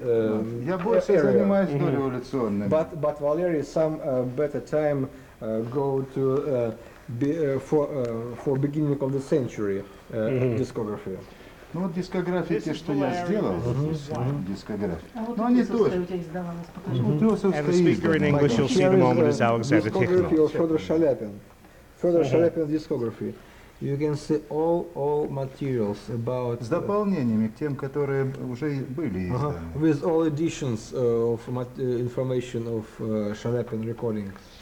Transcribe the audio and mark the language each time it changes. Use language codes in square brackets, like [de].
[ru] Я больше занимаюсь дореволюционными. [en] Mm-hmm. But Valery, some better time go to... For beginning of the century discography. [ru] Ну вот дискографики, что я сделал. Дискография. А вот Утесовская у тебя издавалась, покажи. [en] And the speaker in English you'll see in a moment is Alexander Tikhonov. Discography of Fyodor Shalapin. Fyodor Shalapin's discography. You can see all materials about... [ru] С дополнениями к тем, которые уже были изданы. [en] With all editions of information of Shalapin recordings.